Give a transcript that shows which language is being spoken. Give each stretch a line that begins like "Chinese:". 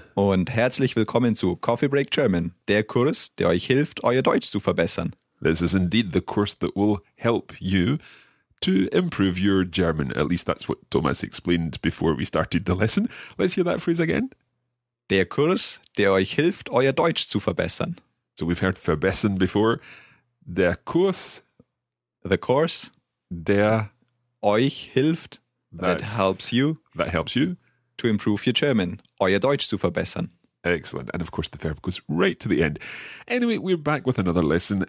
German: Und herzlich willkommen zu Coffee Break German, der Kurs, der euch hilft, euer Deutsch zu verbessern.
English: This is indeed the course that will help you to improve your German. At least that's what Thomas explained before we started the lesson. Let's hear that phrase again.
German: Der Kurs, der euch hilft, euer Deutsch zu verbessern.
English: So we've heard verbessern before.
German: Der Kurs.
English: The course.
German: Der. Euch hilft.
English: That helps you. That helps you. To improve your German.
German: Euer Deutsch zu verbessern.
English: Excellent. And of course, the verb goes right to the end. Anyway, we're back with another lesson.